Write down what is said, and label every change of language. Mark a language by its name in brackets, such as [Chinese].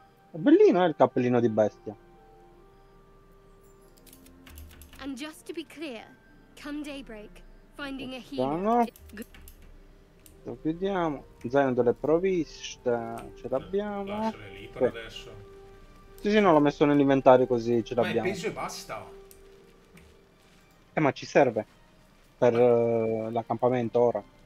[Italian] È bellino, il cappellino di bestia. [English] And just to be clear, come daybreak, finding a healer... [Italian] No? Lo chiudiamo. Zaino delle provviste, ce l'abbiamo. Lascia le lì per adesso. Sì, sì, no, l'ho messo nell'inventario così ce l'abbiamo. Ma il peso e basta. Ma ci serve per l'accampamento ora.